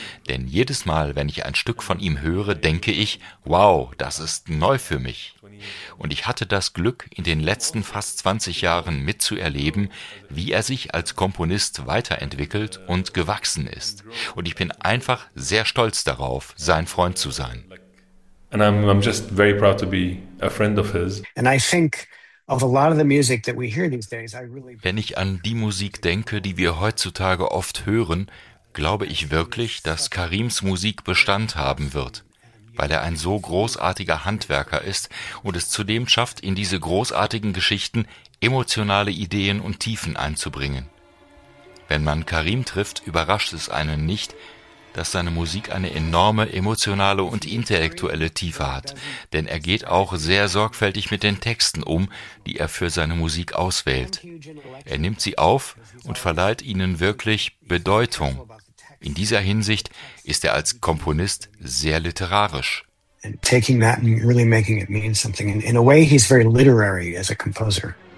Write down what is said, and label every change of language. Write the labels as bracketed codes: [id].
[de] Denn jedes Mal, wenn ich ein Stück von ihm höre, denke ich, wow, das ist neu für mich. Und ich hatte das Glück, in den letzten fast 20 Jahren mitzuerleben, wie er sich als Komponist weiterentwickelt und gewachsen ist. Und ich bin einfach sehr stolz darauf, sein Freund zu sein. [en] And I'm just very proud to be a friend of his. And I think of a lot of the music that we hear these days, I really. [de] Wenn ich an die Musik denke, die wir heutzutage oft hören, glaube ich wirklich, dass Karims Musik Bestand haben wird, weil er ein so großartiger Handwerker ist und es zudem schafft, in diese großartigen Geschichten emotionale Ideen und Tiefen einzubringen. Wenn man Karim trifft, überrascht es einen nicht, dass seine Musik eine enorme emotionale und intellektuelle Tiefe hat. Denn er geht auch sehr sorgfältig mit den Texten um, die er für seine Musik auswählt. Er nimmt sie auf und verleiht ihnen wirklich Bedeutung. In dieser Hinsicht ist er als Komponist sehr literarisch. [en] Taking that and really making it mean something. In a way, he's very literary as a composer.